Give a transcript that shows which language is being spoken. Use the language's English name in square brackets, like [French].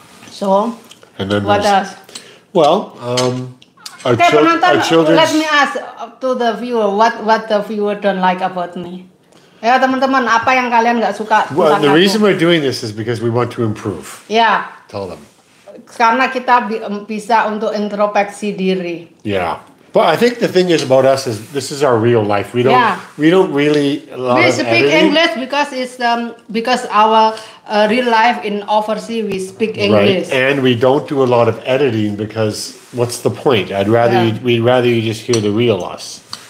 [English] So. And then what else? Well, our children. Let me ask to the viewer what the viewer don't like about me. [Indonesian] Ya, teman-teman, apa yang kalian nggak suka? [English] Well, the reason we're doing this is because we want to improve. Yeah. Tell them. [Indonesian] Karena kita bisa untuk introspeksi diri. [English] Yeah. But I think the thing is about us is this is our real life. We don't really love we speak editing. English because it's because our real life in overseas we speak English. And we don't do a lot of editing because what's the point? We'd rather you just hear the real us.